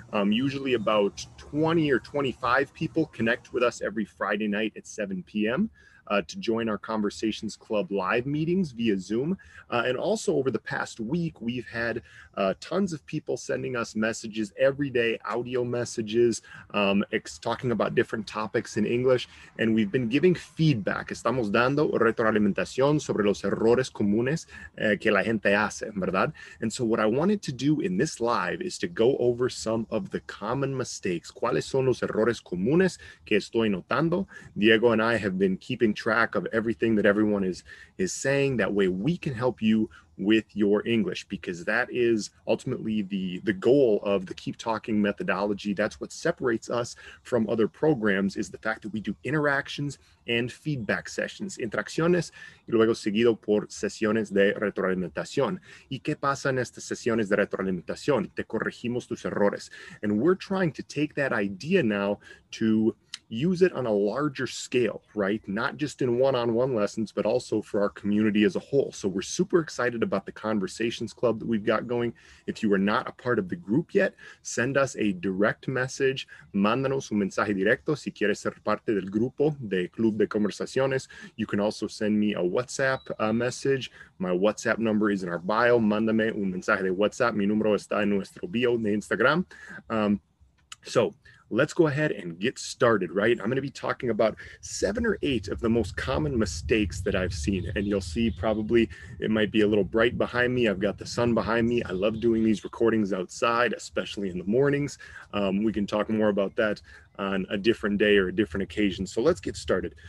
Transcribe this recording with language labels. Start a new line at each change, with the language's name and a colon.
English: Usually about 20 or 25 people connect with us every Friday night at 7 p.m. To join our Conversations Club live meetings via Zoom. And also over the past week, we've had tons of people sending us messages every day, audio messages, talking about different topics in English. And we've been giving feedback.
Spanish: Estamos dando retroalimentación sobre los errores comunes que la gente hace, ¿verdad?
English: And so what I wanted to do in this live is to go over some of the common mistakes.
Spanish: ¿Cuáles son los errores comunes que estoy notando?
English: Diego and I have been keeping track of everything that everyone is saying. That way we can help you with your English, because that is ultimately the goal of the Keep Talking methodology. That's what separates us from other programs, is the fact that we do interactions and feedback sessions.
Spanish: Interacciones y luego seguido por sesiones de retroalimentación. ¿Y qué pasa en estas sesiones de retroalimentación? Te corregimos tus errores.
English: And we're trying to take that idea now to use it on a larger scale, right? Not just in one-on-one lessons, but also for our community as a whole. So we're super excited about the Conversations Club that we've got going. If you are not a part of the group yet, send us a direct message.
Spanish: Mándanos un mensaje directo si quieres ser parte del grupo de Club de Conversaciones.
English: You can also send me a WhatsApp message. My WhatsApp number is in our bio.
Spanish: Mándame un mensaje de WhatsApp. Mi número está en nuestro bio de Instagram.
English: Let's go ahead and get started, right? I'm going to be talking about 7 or 8 of the most common mistakes that I've seen. And you'll see probably it might be a little bright behind me. I've got the sun behind me. I love doing these recordings outside, especially in the mornings. We can talk more about that on a different day or a different occasion. So let's get started.